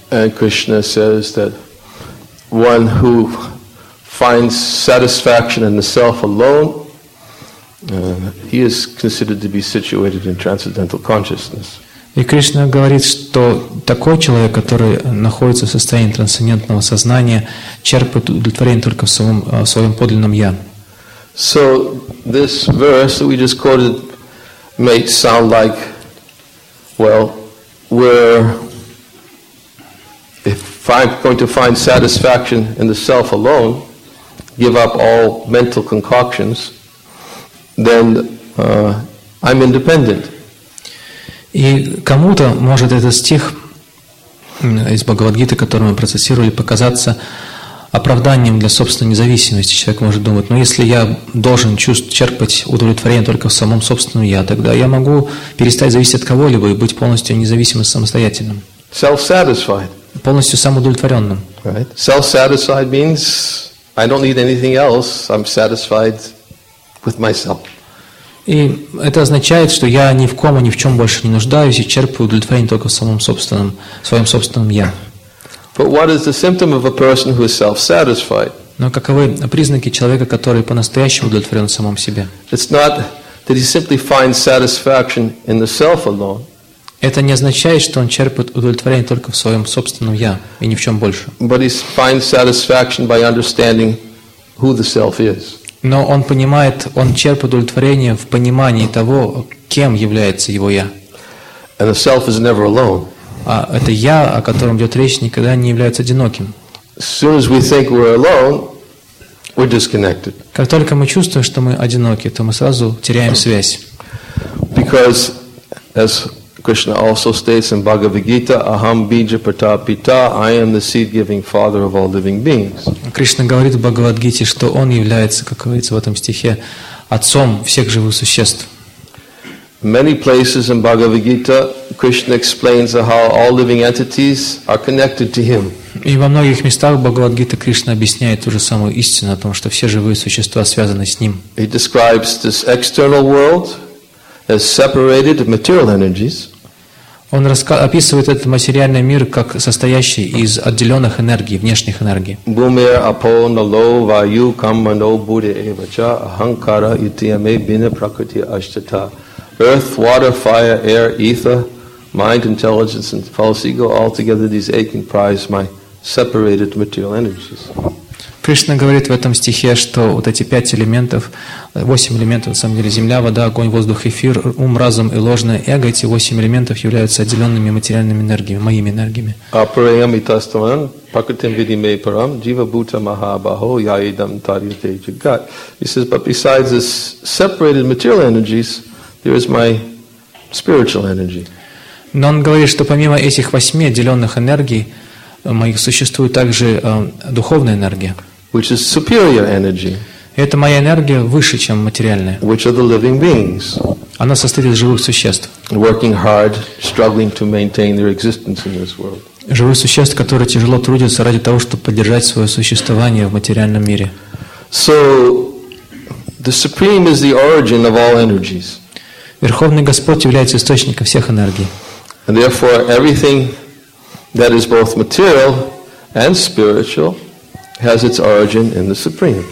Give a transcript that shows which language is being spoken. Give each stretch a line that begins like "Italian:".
English: And Krishna says that one who finds satisfaction in the self alone, he is considered to be situated in transcendental consciousness.
Russian: И Кришна говорит, что такой человек, который находится в состоянии трансцендентного сознания, черпает удовлетворение только в своем подлинном «я».
English: So this verse that we just quoted may sound like, well, if I'm going to find satisfaction in the self alone, give up all mental concoctions, then I'm independent.
Russian: И кому-то может этот стих из Бхагавад-гиты, который мы процитировали, показаться оправданием для собственной независимости. Человек может думать: ну если я должен черпать удовлетворение только в самом собственном «я», тогда я могу перестать зависеть от кого-либо и быть полностью независимым, самостоятельным.
English: Self-satisfied.
Russian: Полностью самоудовлетворенным.
English: Right. Self-satisfied means I don't need anything else, I'm satisfied with myself.
Russian: И это означает, что я ни в ком и ни в чем больше не нуждаюсь и черпаю удовлетворение только в своем собственном «я».
English: But what is the symptom of a person who is self-satisfied?
Russian: Но каковы признаки человека, который по-настоящему удовлетворен самом себе?
English: It's not that he simply finds satisfaction in the self alone.
Russian: Это не означает, что он черпает удовлетворение только в своем собственном «я» и ни в чем больше.
English: But he finds satisfaction by understanding who the self is.
Russian: Но он понимает, он черпает удовлетворение в понимании того, кем является его «я».
English: And the self is never alone.
Russian: А это «я», о котором идет речь, никогда не является одиноким.
English: As soon as we think we're alone, we're disconnected.
Russian: Как только мы чувствуем, что мы одиноки, то мы сразу теряем связь.
English: Because, as Krishna also states in Bhagavad-gita,
Sanskrit: aham bija pratapita,
English: I am the seed-giving father of all living beings.
Russian: Кришна говорит в Бхагавад-гите, что он является, как говорится в этом стихе, отцом всех живых существ.
English: many places in Bhagavad Gita, Krishna explains how all living entities are connected to Him.
Russian: И во многих местах Бхагавад Гита Кришна объясняет ту же самую истину о том, что все живые существа связаны с Ним.
English: He describes this external world as separated material energies.
Russian: Он описывает этот материальный мир как состоящий из отделенных энергий, внешних энергий.
Sanskrit: Бумер апо нало ваю камано буре эвача аханкара итиаме бина пракрити аштата.
English: Earth, water, fire, air, ether, mind, intelligence, and false ego, all together these eight comprise my separated material energies.
Russian: Кришна говорит в этом стихе, что вот эти пять элементов, восемь элементов, на самом деле, земля, вода, огонь, воздух, эфир, ум, разум и ложное эго, эти восемь элементов являются отделенными материальными энергиями, моими энергиями.
Sanskrit: Апреям итаставан, пакатим видиме парам, джива бута маха бахо, яидам тарите джигат.
English: He says, but besides this separated material energies, there is my spiritual energy.
Russian: Но он говорит, что помимо этих восьми отделенных энергий, моих существует также духовная энергия.
English: Which is superior energy.
Russian: Это моя энергия выше, чем материальная.
English: Which are the living beings.
Russian: Она состоит из живых существ.
English: Working hard, struggling to maintain their existence in this world.
Russian: Живых существ, которые тяжело трудятся ради того, чтобы поддержать свое существование в материальном мире.
English: So, the Supreme is the origin of all energies.
Russian: Верховный Господь является источником всех энергий.
English: And therefore, everything that is both material and spiritual has its origin in the Supreme.